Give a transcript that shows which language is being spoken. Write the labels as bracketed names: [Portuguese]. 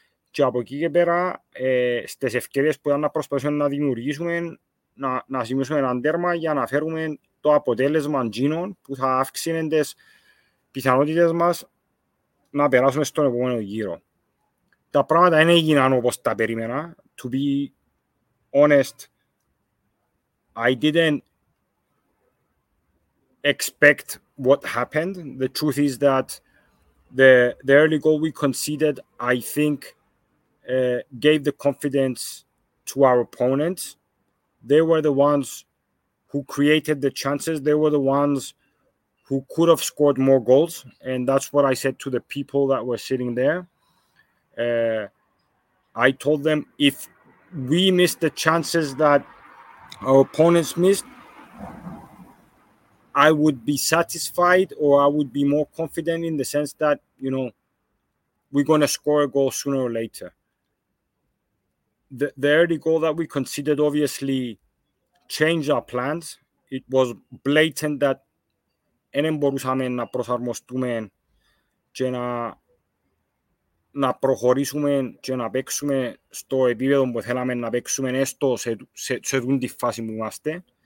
[Greek] Και από εκεί και πέρα, στις ευκαιρίες που ήταν να προσπαθούμε να δημιουργήσουμε, να σημειώσουμε έναν τέρμα για να φέρουμε το αποτέλεσμα γίνων που θα αύξηνε τις πιθανότητες μας να περάσουμε στον επόμενο γύρο. Τα πράγματα δεν έγιναν όπως τα περίμενα. [English] To be honest, I didn't expect what happened. The truth is that the early goal we conceded, I think, gave the confidence to our opponents. They were the ones who created the chances. They were the ones who could have scored more goals. And that's what I said to the people that were sitting there. I told them, if we missed the chances that our opponents missed, I would be satisfied, or I would be more confident in the sense that, you know, we're going to score a goal sooner or later. The early goal that we conceded obviously changed our plans. It was blatant that [Greek] δεν μπορούσαμε να προσαρμοστούμε και να προχωρήσουμε και να παίξουμε στο επίπεδο που θέλαμε να παίξουμε, έστω σε δουν τη φάση που είμαστε.